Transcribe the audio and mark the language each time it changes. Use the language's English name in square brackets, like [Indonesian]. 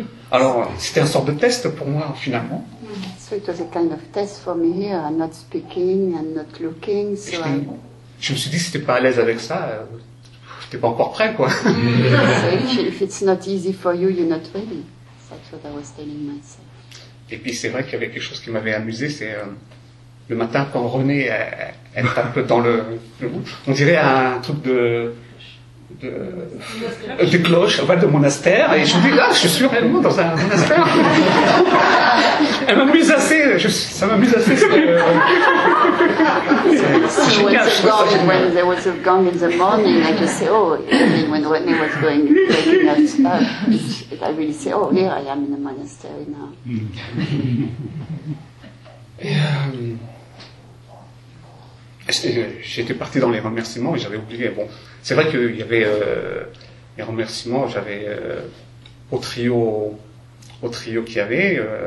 [French] Alors, c'était une sorte de test pour moi, finalement. [English] So it was a kind of test for me here, I'm not speaking, I'm not looking, so I... [French] Je me suis dit, si t'es pas à l'aise avec ça, t'es pas encore prêt, quoi. [English] So if it's not easy for you, you're not ready. That's what I was telling myself. [French] Et puis c'est vrai qu'il y avait quelque chose qui m'avait amusé, c'est le matin quand René elle est un peu dans le on dirait un truc de cloche, enfin de monastère, et je me dis là, je suis vraiment dans un monastère. Elle m'amuse assez, ça m'amuse assez. C'est génial. [English] When there was a gong in the morning, I just say, oh, I mean, when René was going taking that stuff, I really say, oh, here I am in a monastery now. [French] J'étais parti dans les remerciements et j'avais oublié. Bon, c'est vrai qu'il y avait les remerciements. J'avais au trio qu'il y avait.